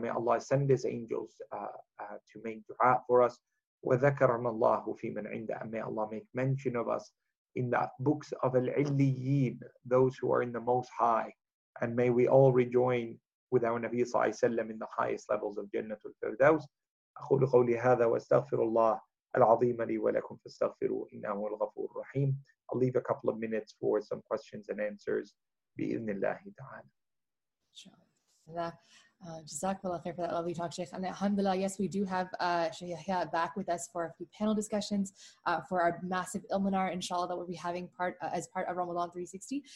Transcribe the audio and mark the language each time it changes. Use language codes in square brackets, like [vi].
[en] May Allah send His angels to make dua for us. [ar] وذكرنا الله في من عنده. [en] And may Allah make mention of us in the books of العليين, those who are in the Most High. And may we all rejoin with our Nabi صلى الله عليه وسلم in the highest levels of Jannah al-Firdaus. [ar] أقول قولي هذا وأستغفر الله العظيم لي ولكم فاستغفروا إنه هو الغفور الرحيم. [en] I'll leave a couple of minutes for some questions and answers [ar] بإذن الله تعالى. [en] JazakAllah khair for that lovely talk, Sheikh. And alhamdulillah, yes, we do have Sheikh Yahya back with us for a few panel discussions for our massive ilmanar, inshallah, that we'll be having as part of Ramadan 360.